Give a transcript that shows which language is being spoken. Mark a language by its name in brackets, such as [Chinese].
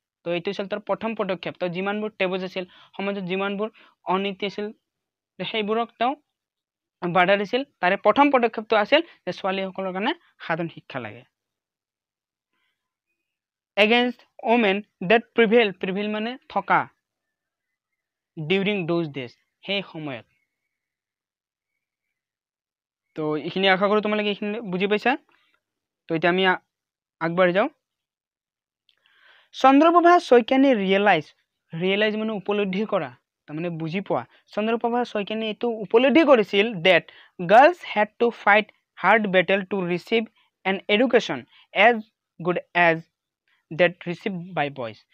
[Assamese] তো এইটো আছিল তাৰ প্ৰথম পদক্ষেপ. তো যিমানবোৰ টেবুজ আছিল সমাজত, যিমানবোৰ অনীতি আছিল, সেইবোৰক তেওঁ বাধা দিছিল. তাৰে প্ৰথম পদক্ষেপটো আছিল যে ছোৱালীসকলৰ কাৰণে সাধাৰণ শিক্ষা লাগে. [English] against women that prevail, prevail [Assamese] মানে থকা, [English] during those days, [Assamese] সেই সময়ত. তো এইখিনি আশা কৰোঁ তোমালোকে এইখিনি বুজি পাইছা. তো এতিয়া আমি আগবাঢ়ি যাওঁ. চন্দ্ৰপ্ৰভা শইকীয়ানী [English] realise, realise [Assamese] মানে উপলব্ধি কৰা, তাৰমানে বুজি পোৱা. [English] Chandraprabha Saikiani [Assamese] এইটো উপলব্ধি কৰিছিল [English] That girls had to fight hard battle to receive an education as good as that receive by boys.